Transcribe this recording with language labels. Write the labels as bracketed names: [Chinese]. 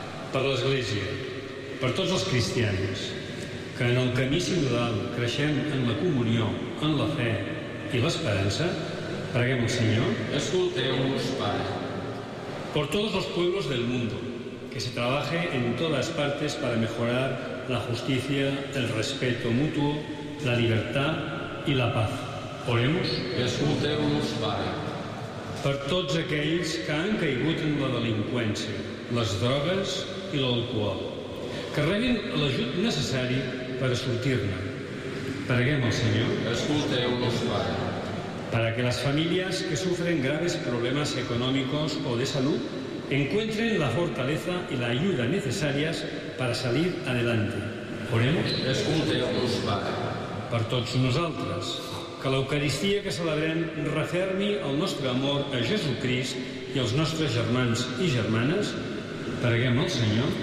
[Catalan] Per l'Església, per tots els cristians, que en el camí sinodal creixem en la comunió, en la fe i l'esperança, preguem al Señor. Escolteu-nos, Pare. [Spanish] Por todos los pueblos del mundo, que se trabaje en todas partes para mejorar la justicia, el respeto mutuo, la libertad y la paz. Oremos. [Catalan] Escolteu-nos, Pare. Per tots aquells que han caigut en la delinqüència, les drogues i l'alcohol, que rebin l'ajut necessari per sortir-ne. Preguem al Senyor. Escolteu-nos, Pare. [Spanish] Para que las familias que sufren graves problemas económicos o de salud encuentren la fortaleza y la ayuda necesarias para salir adelante. Oremos. [Catalan] Escolteu-nos, Pare. Per tots nosaltres, que l'Eucaristia que celebrem refermi el nostre amor a Jesucrist i als nostres germans i germanes, preguem al Senyor.